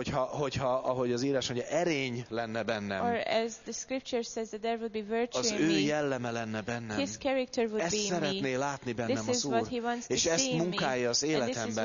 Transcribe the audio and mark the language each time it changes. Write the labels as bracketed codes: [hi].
[hu] Hogyha, ahogy az írás mondja, erény lenne bennem. [en] Or as the scripture says that there would be virtue in me. [hu] Az ő jelleme lenne bennem. [en] His character would be in me. [hu] Ezt szeretné látni bennem az Úr. És ezt munkálja az életemben.